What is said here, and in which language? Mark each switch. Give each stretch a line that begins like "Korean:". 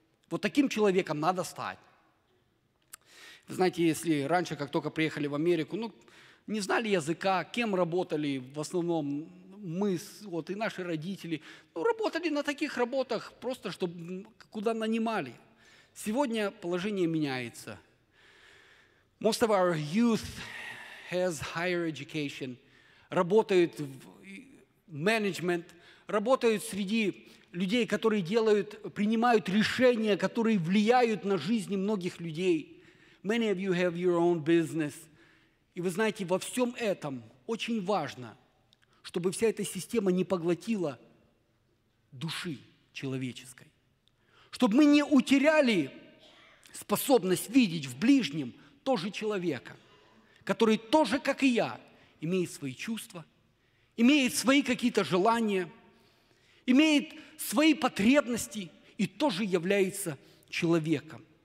Russian: Вот таким человеком надо стать. Вы знаете, если раньше, как только приехали в Америку, ну, не знали языка, кем работали в основном, мы, вот, и наши родители, ну, работали на таких работах, просто чтобы куда нанимали. Сегодня положение меняется.
English: Most of our youth has higher education,
Russian: работают в
English: management,
Russian: работают среди людей, которые делают, принимают решения, которые влияют на жизни многих людей.
English: Many of you have your own business.
Russian: И вы знаете, во всем этом очень важно, чтобы вся эта система не поглотила души человеческой. Чтобы мы не утеряли способность видеть в ближнем тоже человека, который тоже, как и я, имеет свои чувства, имеет свои какие-то желания, имеет свои потребности и тоже является человеком.